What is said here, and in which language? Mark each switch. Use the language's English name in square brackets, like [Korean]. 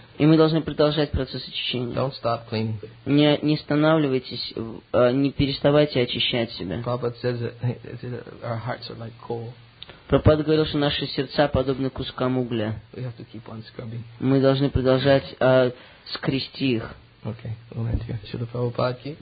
[Russian] И мы должны продолжать процесс очищения. [English] Don't stop cleaning. [Russian] Не останавливайтесь, не переставайте очищать себя. [English] Prabhupada says that our hearts are like coal. [Russian] Прабхупада говорил, что наши сердца подобны кускам угля. [English] We have to keep on scrubbing. [Russian] Мы должны продолжать скрести их. [English] Okay. Well, thank you. Shri Prabhupada.